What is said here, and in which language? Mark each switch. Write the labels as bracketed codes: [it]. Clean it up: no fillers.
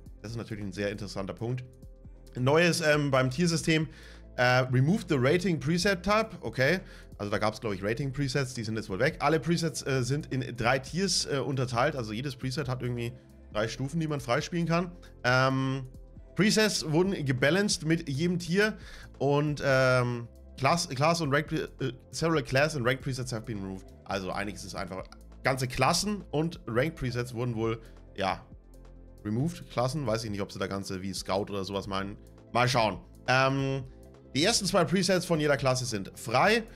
[de] Das ist natürlich ein sehr interessanter Punkt. Neues beim Tiersystem. [en] Remove the Rating Preset Tab. [de] Okay, also da gab es, glaube ich, Rating Presets. Die sind jetzt wohl weg. Alle Presets sind in drei Tiers unterteilt. Also jedes Preset hat irgendwie drei Stufen, die man freispielen kann. Presets wurden gebalanced mit jedem Tier. Und Class und Rank, [en] several Class and Rank Presets have been removed. [de] Also einiges ist einfach. Ganze Klassen und Rank Presets wurden wohl, ja, removed. Klassen, weiß ich nicht, ob sie da ganze wie Scout oder sowas meinen. Mal schauen. Die ersten zwei Presets von jeder Klasse sind frei.